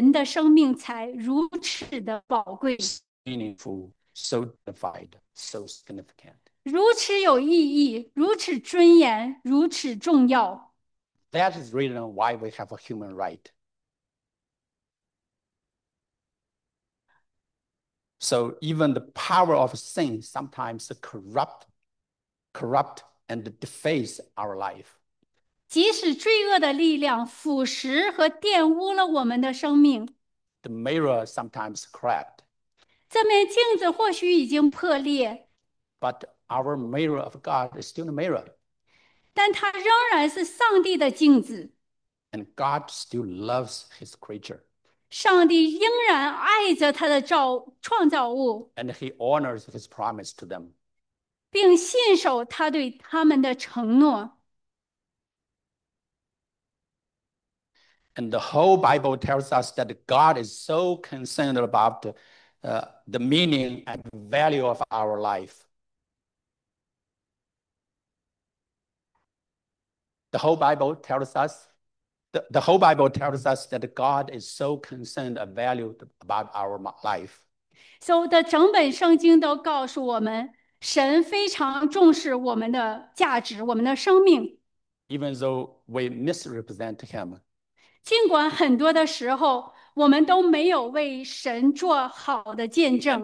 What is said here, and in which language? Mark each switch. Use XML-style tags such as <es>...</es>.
<zh>正是因为这个原因，人的生命才如此的宝贵。</zh> <en>Meaningful, so divine, so significant.</en> <zh>如此有意义，如此尊严，如此重要。</zh> <en>That is the reason why we have a human right. So even the power of sin sometimes corrupt and deface our life.</en> <zh>即使罪恶的力量腐蚀和玷污了我们的生命。</zh> <en>The mirror sometimes cracked.</en> <zh>这面镜子或许已经破裂,</zh> <en>But our mirror of God is still the mirror.</en> <zh>但它仍然是上帝的镜子。</zh> <en>And God still loves His creature.</en> <zh>上帝仍然爱着他的创造物,</zh> <en>And He honors His promise to them.</en> <zh>并信守他对他们的承诺。</zh> <en>And the whole Bible tells us that God is so concerned about the meaning and value of our life. The whole Bible tells us that God is so concerned and valued about our life.</en> <zh>So 的整本圣经都告诉我们，神非常重视我们的价值，我们的生命。</zh> <en>Even though we misrepresent Him,</en> <zh>尽管很多的时候，我们都没有为神做好的见证。</zh>